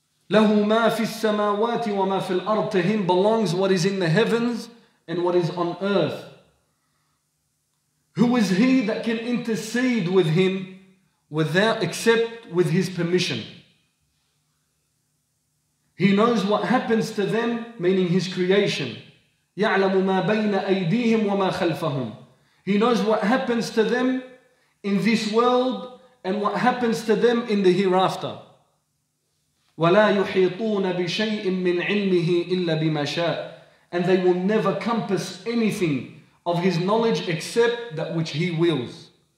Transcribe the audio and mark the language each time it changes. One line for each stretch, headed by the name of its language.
Arabic: له ما في السماوات وما في الأرض,
English: to him belongs what is in the heavens and what is on earth. Who is he that can intercede with him without, except with his permission? He knows what happens to them, meaning his creation.
Arabic: يعلم ما بين أيديهم وما خلفهم.
English: He knows what happens to them in this world and what happens to them in the hereafter.
Arabic: وَلَا يُحِيطُونَ بِشَيْءٍ مِّنْ عِلْمِهِ إِلَّا بِمَا شَاءٍ.
English: And they will never compass anything of his knowledge except that which he wills.